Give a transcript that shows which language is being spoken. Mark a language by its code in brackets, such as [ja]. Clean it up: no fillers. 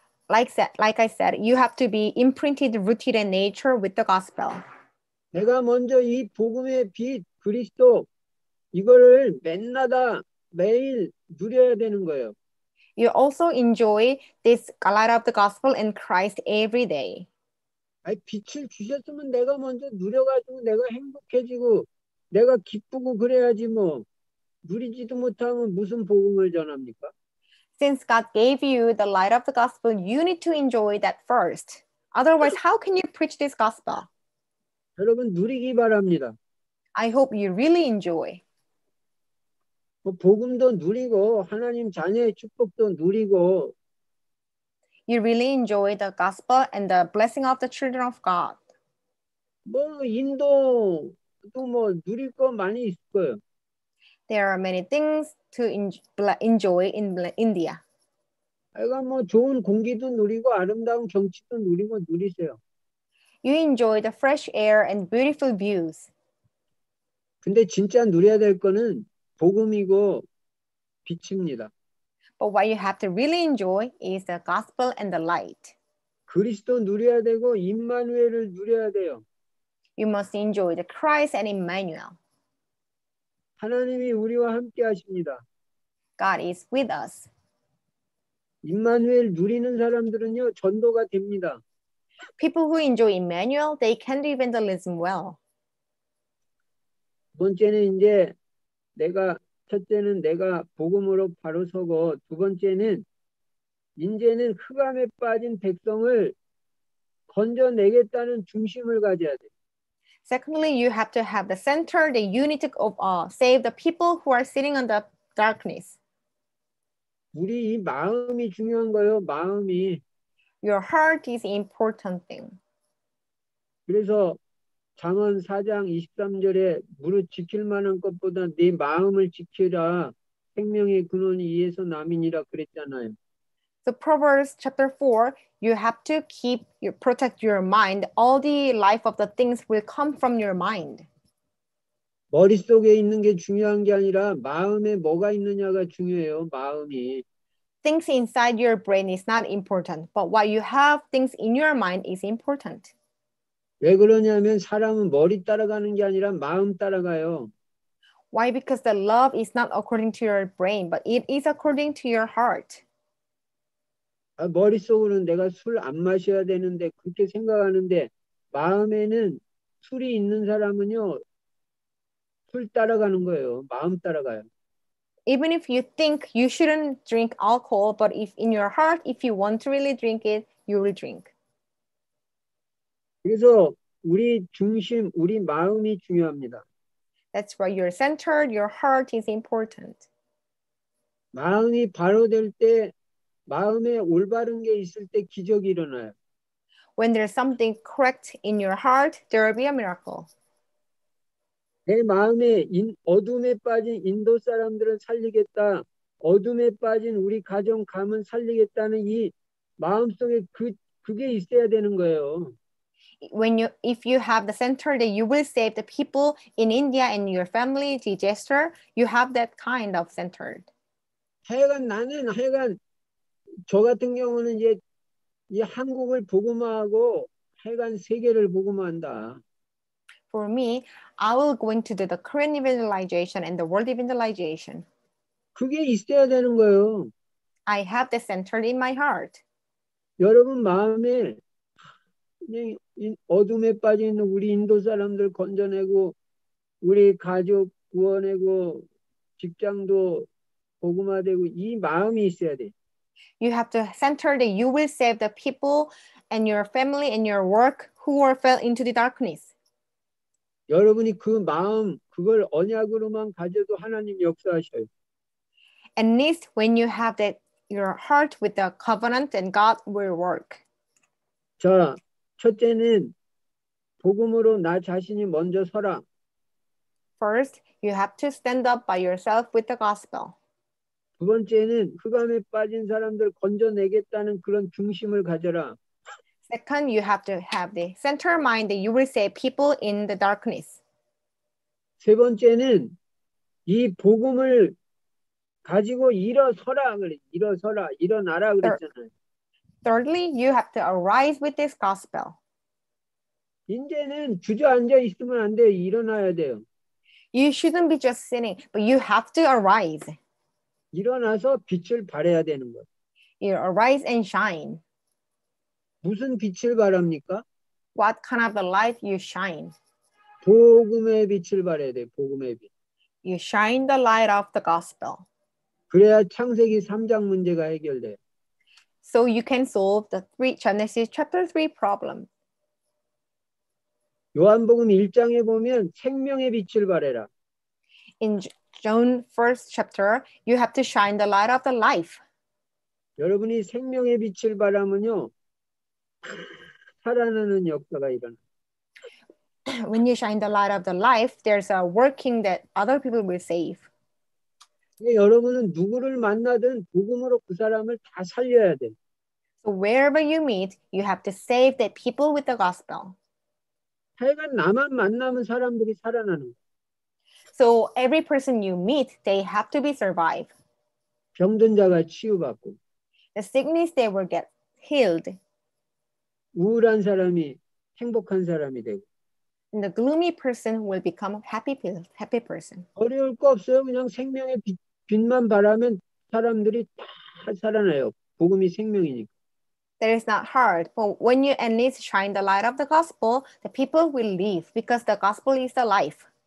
[en] Like I said, you have to be imprinted, rooted in nature with the gospel. [ko] 내가 먼저 이 복음의 빛, 그리스도 이거를 맨날 매일 누려야 되는 거예요. [en] You also enjoy this light of the gospel in Christ every day. [ko] 아니, 빛을 주셨으면 내가 먼저 누려가지고 내가 행복해지고 내가 기쁘고 그래야지 뭐 누리지도 못하면 무슨 복음을 전합니까? [en] Since God gave you the light of the gospel, you need to enjoy that first. Otherwise, how can you preach this gospel? [ko] 여러분 누리기 바랍니다. [en] I hope you really enjoy. [ko] 뭐 복음도 누리고 하나님 자녀의 축복도 누리고 [en] You really enjoy the gospel and the blessing of the children of God. [ko] 뭐 인도도 뭐 누릴 거 많이 있을 거예요. [en] There are many things to enjoy in India. [ko] 아이가 뭐 좋은 공기도 누리고 아름다운 경치도 누리고 누리세요. [en] You enjoy the fresh air and beautiful views. [ko] 근데 진짜 누려야 될 거는 복음이고 빛입니다. [en] But what you have to really enjoy is the gospel and the light. [ko] 그리스도 누려야 되고 임마누엘을 누려야 돼요. [en] You must enjoy the Christ and Emmanuel. [ko] 하나님이 우리와 함께 하십니다. [en] God is with us. [ko] 임마누엘 누리는 사람들은요, 전도가 됩니다. [en] People who enjoy Emmanuel, they can do evangelism well. [ko] 두 번째는 이제 내가 첫째는 내가 복음으로 바로 서고 두 번째는 이제는 흑암에 빠진 백성을 건져내겠다는 중심을 가져야 돼. [en] Secondly, you have to have the center, the unity of all, save the people who are sitting on the darkness. [ko] 우리 이 마음이 중요한 거예요. 마음이. [en] Your heart is important thing. [ko] 그래서 잠언 4장 23절에 무릇 지킬 만한 것보다 네 마음을 지키라 생명의 근원이 이에서 남이니라 그랬잖아요. [en] So Proverbs chapter 4, you have to keep your, protect your mind. All the life of the things will come from your mind. [ko] 머릿속에 있는 게 중요한 게 아니라 마음에 뭐가 있느냐가 중요해요. 마음이. [en] Things inside your brain is not important, but what you have things in your mind is important. [ko] 왜 그러냐면 사람은 머리 따라가는 게 아니라 마음 따라가요. [en] Why? Because the love is not according to your brain, but it is according to your heart. [ko] 아, 머릿속으로는 내가 술 안 마셔야 되는데 그렇게 생각하는데 마음에는 술이 있는 사람은요 술 따라가는 거예요. 마음 따라가요. [en] Even if you think you shouldn't drink alcohol, but if in your heart, if you want to really drink it, you will drink. [ko] 그래서 우리 중심, 우리 마음이 중요합니다. [en] That's why you're centered, your heart is important. [ko] 마음이 바로 될 때, 마음에 올바른 게 있을 때 기적이 일어나요. [en] When there's something correct in your heart, there will be a miracle. [ko] 내 마음에 어둠에 빠진 인도 사람들은 살리겠다. 어둠에 빠진 우리 가정 감은 살리겠다는 이 마음 속에 그게 있어야 되는 거예요. [en] When you, if you have the center that you will save the people in India and your family, the gesture, you have that kind of centered. [ko] 하여간 나는 하여간 저 같은 경우는 이제 이 한국을 복음화하고 하여간 세계를 복음화한다. [en] For me, I will going to do the Korean evangelization and the world evangelization. [ko] 그게 있어야 되는 거예요. [en] I have the center in my heart. [ko] 여러분 마음에 어둠에 빠져 있는 우리 인도 사람들 건져내고 우리 가족 구원하고 직장도 복음화되고 이 마음이 있어야 돼. [en] You have to center that you will save the people and your family and your work who are fell into the darkness. [ko] 여러분이 그 마음 그걸 언약으로만 가져도 하나님 역사하셔요. [en] At least when you have that your heart with the covenant and God will work. [ko] 자, 첫째는 복음으로 나 자신이 먼저 서라. [en] First, you have to stand up by yourself with the gospel. [ko] 두 번째는 흑암에 빠진 사람들 건져내겠다는 그런 중심을 가져라. [en] Second, you have to have the center mind that you will save people in the darkness. [ko] 세 번째는 이 복음을 가지고 일어서라 그래. 일어서라, 일어나라 그랬잖아요. [en] Thirdly, you have to arise with this gospel. [ko] 이제는 주저앉아 있으면 안 돼요. 일어나야 돼요. [en] You shouldn't be just sitting, but you have to arise. [ko] 일어나서 빛을 발해야 되는 거예요. [en] You arise and shine. [ko] 무슨 빛을 발합니까? [en] What kind of the light you shine? [ko] 복음의 빛을 발해야 돼, 복음의 빛. [en] You shine the light of the gospel. [ko] 그래야 창세기 3장 문제가 해결돼. [en] So you can solve the three Genesis chapter 3 problem. [ko] 요한복음 1장에 보면 생명의 빛을 발해라. [en] In John 1st chapter, you have to shine the light of the life. [ko] 여러분이 생명의 빛을 발하면요, 살아나는 역사가 일어나. [en] When you shine the light of the life, there's a working that other people will save. [ko] 네, 여러분은 누구를 만나든 복음으로 그 사람을 다 살려야 돼. [en] So wherever you meet, you have to save that people with the gospel. [ko] 하여간 나만 만나면 사람들이 살아나는 거야. [en] So every person you meet, they have to be survived. [ko] 병든 자가 치유받고. [en] The sickness, they will get healed. [ko] 우울한 사람이 행복한 사람이 되고. [en] And the gloomy person will become a happy person. [ko] 어려울 거 없어요. 그냥 생명의 빛만 바라면 사람들이 다 살아나요. 복음이 생명이니까. [en] That is not hard. But when you at least shine the light of the gospel, the people will live because the gospel is the life.